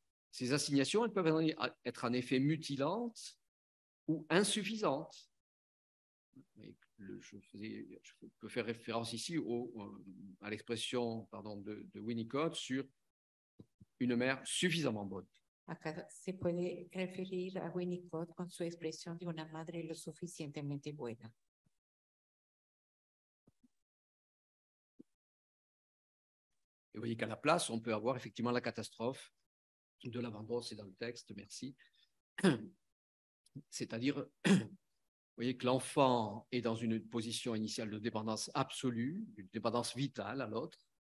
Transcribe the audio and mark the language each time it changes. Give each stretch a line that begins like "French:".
French: Ces assignations, elles peuvent être en effet mutilantes ou insuffisantes. Je peux faire référence ici à l'expression de Winnicott sur une mère suffisamment bonne.
Spanish: Acá se puede referir a Winnicott con su expresión de una madre lo suficientemente buena.
French: Et vous voyez qu'à la place, on peut avoir effectivement la catastrophe de l'abandon, c'est dans le texte, merci. C'est-à-dire, vous voyez que l'enfant est dans une position initiale de dépendance absolue, d'une dépendance vitale à l'autre.